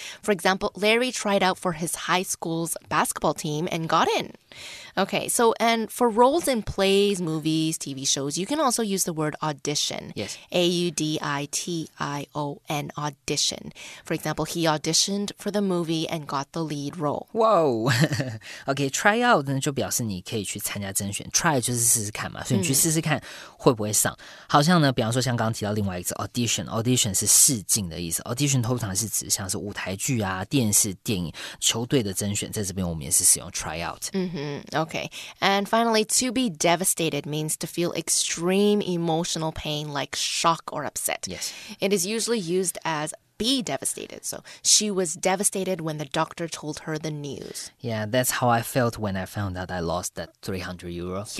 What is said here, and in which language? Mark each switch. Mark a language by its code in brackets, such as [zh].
[en] For example, Larry tried out for his high school's basketball team and got in. Okay, so, and for roles in plays, movies, TV shows, you can also use the word audition. Yes. A-U-D-I-T-I-O-N, audition. For example, he auditioned for the movie and got the lead role. Whoa! [zh] Okay, try out 呢就表示你可以去参加甄选。Try 就是试试看嘛，所以你去试试看会不会上。好像呢，比方说像刚刚提到另外一个词 audition, audition 是试镜的意思。 Audition 通常是指像是舞台剧啊、电视、电影、球队的甄选，在这边我们也是使用 try out。 [en] Okay, and finally, to be devastated means to feel extreme emotional pain like shock or upset. Yes. It is usually used as be devastated. So she was devastated when the doctor told her the news. Yeah, that's how I felt when I found out I lost that 300 euros.